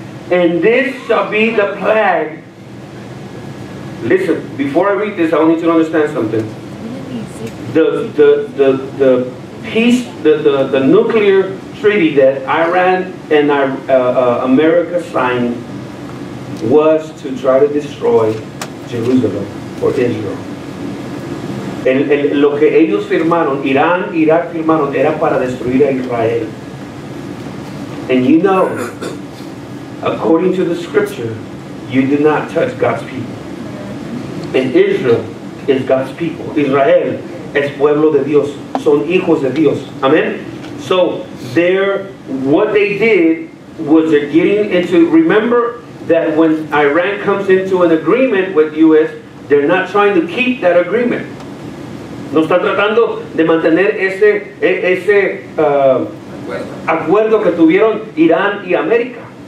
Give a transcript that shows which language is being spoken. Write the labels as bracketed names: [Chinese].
[English] And this shall be the plague. Listen, before I read this, I need you to understand something. The peace, the nuclear treaty that Iran and America signed was to try to destroy Jerusalem or Israel. [Spanish] Lo que ellos firmaron, Irán, Irak firmaron, era para destruir a Israel. [English] And you know, according to the scripture, you do not touch God's people. And Israel is God's people. [Spanish] Israel es pueblo de Dios. Son hijos de Dios. Amen? [English] So, what they did was they're getting into, remember that when Iran comes into an agreement with U.S., they're not trying to keep that agreement. [Spanish] No está tratando de mantener ese acuerdo que tuvieron Irán y América.